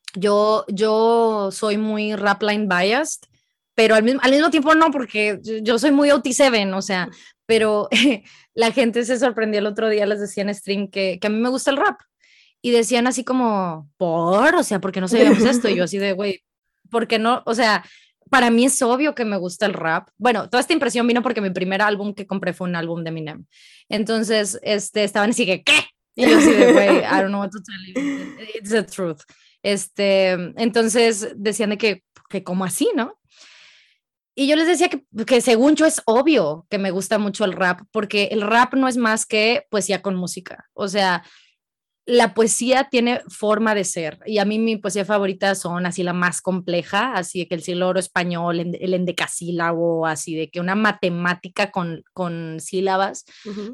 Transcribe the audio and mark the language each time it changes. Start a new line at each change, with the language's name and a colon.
Spanish: yo soy muy rap line biased, pero al mismo tiempo no, porque yo soy muy OT7, o sea, pero la gente se sorprendió el otro día, les decía en stream que a mí me gusta el rap, y decían así como, ¿por? O sea, ¿por qué no sabíamos esto? Y yo así de, güey, ¿por qué no? O sea, para mí es obvio que me gusta el rap. Bueno, toda esta impresión vino porque mi primer álbum que compré fue un álbum de Eminem. Entonces, estaban así que, ¿qué? Y yo así de, güey,
English: I don't know what to tell you, it's the truth.
Spanish: Entonces, decían de que ¿cómo así, no? Y yo les decía que según yo es obvio que me gusta mucho el rap, porque el rap no es más que poesía con música. O sea, la poesía tiene forma de ser. Y a mí mi poesía favorita son así la más compleja, así de que el siglo oro español, el endecasílabo, así de que una matemática con sílabas. Uh-huh.